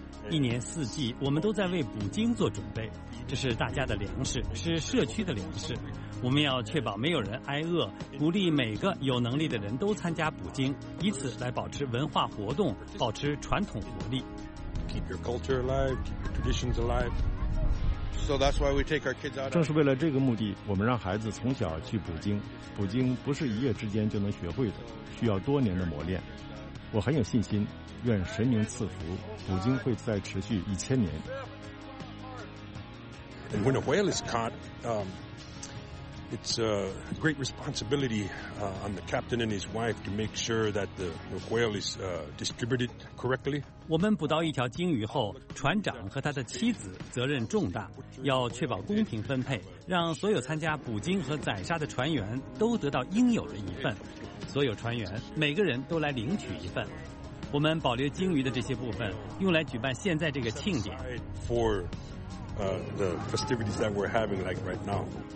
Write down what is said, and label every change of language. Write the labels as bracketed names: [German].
[Chinese] 一年四季我们都在为捕鲸做准备，这是大家的粮食，是社区的粮食。我们要确保没有人挨饿，鼓励每个有能力的人都参加捕鲸，以此来保持文化活动，保持传统活力。 [English] Keep your culture alive, keep your traditions alive. So that's why we take our kids out. [Chinese] 正是为了这个目的，我们让孩子从小去捕鲸。捕鲸不是一夜之间就能学会的，需要多年的磨练。我很有信心，愿神明赐福，捕鲸会再持续1000年。 [English] And when a whale is caught, it's a great responsibility on the captain and his wife to make sure that the whale is distributed correctly. [Chinese] 我们捕到一条鲸鱼后，船长和他的妻子责任重大，要确保公平分配，让所有参加捕鲸和宰杀的船员都得到应有的一份。所有船员每个人都来领取一份。我们保留鲸鱼的这些部分，用来举办现在这个庆典。 [English] For the festivities that we're having like right now.